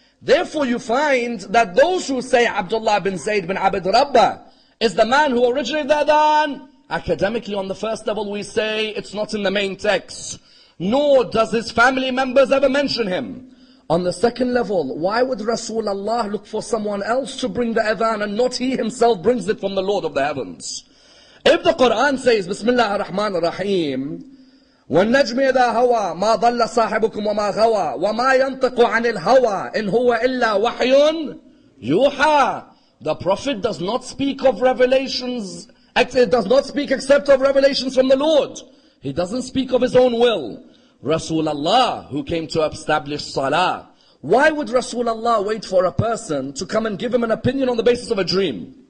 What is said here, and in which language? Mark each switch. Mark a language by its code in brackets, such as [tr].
[en] Therefore, you find that those who say Abdullah bin Zayd bin Abd Rabbah is the man who originated the adhan, academically on the first level we say it's not in the main text, nor does his family members ever mention him. On the second level, why would Rasulullah look for someone else to bring the adhan and not he himself brings it from the Lord of the heavens? If the Quran says, [ar] Bismillah ar-Rahman ar-Rahim, وَالنَّجْمِ إِذَا هَوَى مَا ضَلَّ صَاحِبُكُمْ وَمَا غَوَى وَمَا يَنْطِقُ عَنِ الْهَوَى إِنْ هُوَ إِلَّا وَحْيٌ يُوحَى. [en] The Prophet does not speak of revelations, it does not speak except of revelations from the Lord. He doesn't speak of his own will. Rasulullah, who came to establish Salah, why would Rasulullah wait for a person to come and give him an opinion on the basis of a dream?